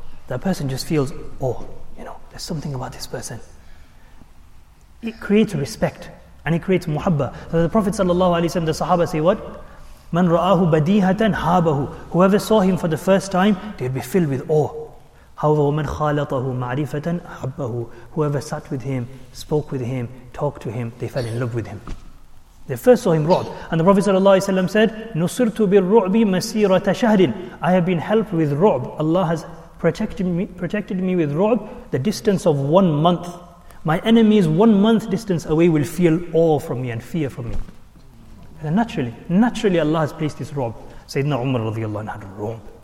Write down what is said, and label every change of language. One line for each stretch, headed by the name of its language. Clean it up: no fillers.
English: That person just feels, oh, you know, there's something about this person. It creates respect and it creates muhabba. So the Prophet sallallahu alayhi wa sallam, the Sahaba say what?
Arabic: مَنْ رَآهُ بَدِيهَةً هَابَهُ.
English: Whoever saw him for the first time, they'd be filled with awe. However,
Arabic: وَمَنْ خَالَطَهُ مَعْرِفَةً أَحَبَّهُ.
English: Whoever sat with him, spoke with him, talked to him, they fell in love with him. They first saw him رُعْب. And the Prophet ﷺ said,
Arabic: نُصِرْتُ بِالرُّعْبِ مَسِيرَةَ شَهْرٍ.
English: I have been helped with رُعْب. Allah has protected me with رُعْب the distance of 1 month. My enemies 1 month distance away will feel awe from me and fear from me. Naturally Allah has placed this رُعْب. Sayyidina Umar radiallahu anhu had رُعْب.